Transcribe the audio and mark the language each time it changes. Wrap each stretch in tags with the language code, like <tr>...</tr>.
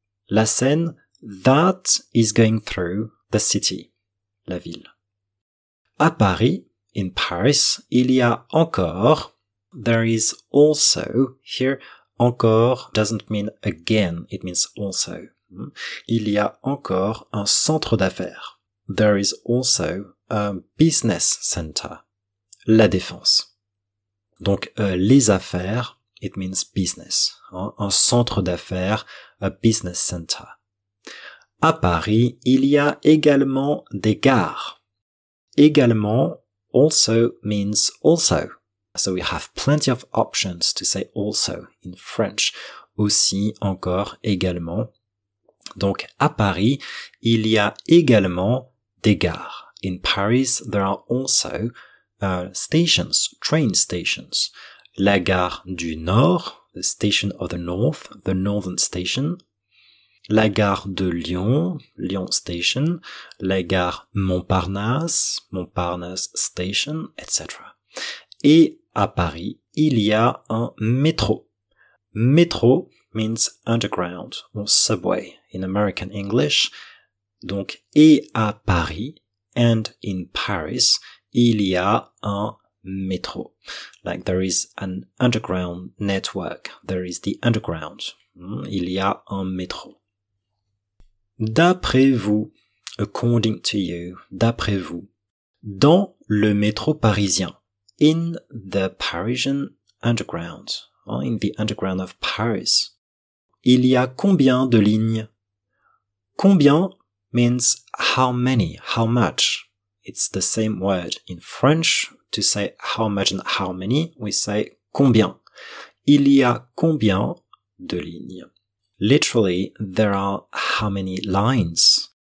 <en>La Seine, that is going through the city,</en> <fr>la ville. À Paris,</fr> <en>in Paris,</en> <fr>il y a encore,</fr> <en>there is also, here, encore doesn't mean again, it means also.</en> <fr>Il y a encore un centre d'affaires.</fr> <en>There is also a business center. La Défense.</en> <fr>Donc, les affaires,</fr> <en>it means business.</en> <fr>Un centre d'affaires,</fr> <en>a business center.</en> <fr>À Paris, il y a également des gares.</fr> <en>Également, also means also. So we have plenty of options to say also in French.</en> <fr>Aussi, encore, également. Donc, à Paris, il y a également des gares.</fr> <en>In Paris, there are also stations, train stations.</en> <fr>La gare du Nord,</fr> <en>the station of the North, the Northern Station.</en> <fr>La gare de Lyon,</fr> <en>Lyon Station.</en> <fr>La gare Montparnasse,</fr> <en>Montparnasse Station,</en> <fr>etc. Et à Paris, il y a un métro.</fr> <en>Métro means underground or subway in American English.</en> <fr>Donc, et à Paris,</fr> <en>and in Paris,</en> <fr>il y a un métro.</fr> <en>Like there is an underground network. There is the underground.</en> <fr>Il y a un métro. D'après vous,</fr> <en>according to you,</en> <fr>d'après vous, dans le métro parisien,</fr> <en>in the Parisian underground, in the underground of Paris,</en> <fr>il y a combien de lignes?</fr> <en>Combien means how many, how much. It's the same word in French. To say how much and how many, we say combien.</en> <fr>Il y a combien de lignes?</fr> <en>Literally, there are how many lines.</en>